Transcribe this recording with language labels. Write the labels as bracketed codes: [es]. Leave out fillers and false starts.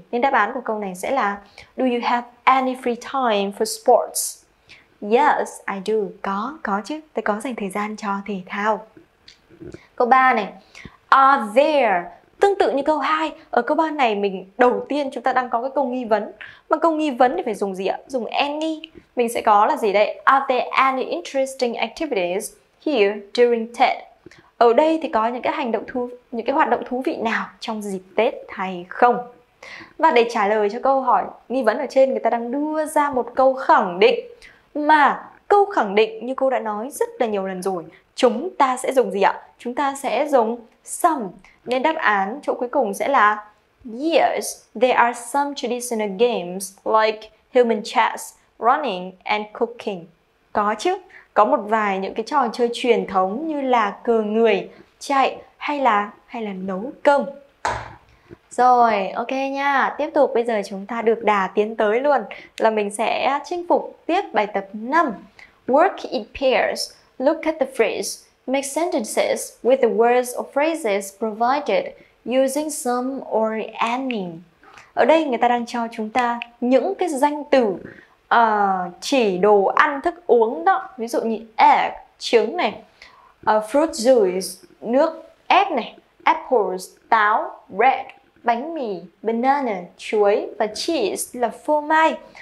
[vi] Nên đáp án của câu này sẽ là [en] Do you have any free time for sports? Yes, I do. [vi] Có chứ, tôi có dành thời gian cho thể thao. Câu 3 này, are there, tương tự như câu 2, ở câu 3 này mình đầu tiên chúng ta đang có cái câu nghi vấn. Mà câu nghi vấn thì phải dùng gì ạ? Dùng any. Mình sẽ có là gì đây? [en] Are there any interesting activities here during Tết? [vi] Ở đây thì có những cái hoạt động thú vị nào trong dịp Tết hay không? Và để trả lời cho câu hỏi nghi vấn ở trên, người ta đang đưa ra một câu khẳng định. Mà câu khẳng định như cô đã nói rất là nhiều lần rồi, chúng ta sẽ dùng gì ạ? Chúng ta sẽ dùng some. Nên đáp án chỗ cuối cùng sẽ là [en] Yes, there are some traditional games like human chess running and cooking. [vi] Có chứ, có một vài những cái trò chơi truyền thống như là cờ người, chạy hay là nấu cơm. Rồi, ok nha, tiếp tục bây giờ chúng ta được đà tiến tới luôn. Là mình sẽ chinh phục tiếp bài tập 5. [en] Work in pairs, look at the phrase. Make sentences with the words or phrases provided using some or any. [vi] Ở đây người ta đang cho chúng ta những cái danh từ chỉ đồ ăn, thức uống đó. Ví dụ như egg, trứng này, fruit juice, nước ép này, apples, táo, bread, bánh mì, banana, chuối và cheese là phô mai.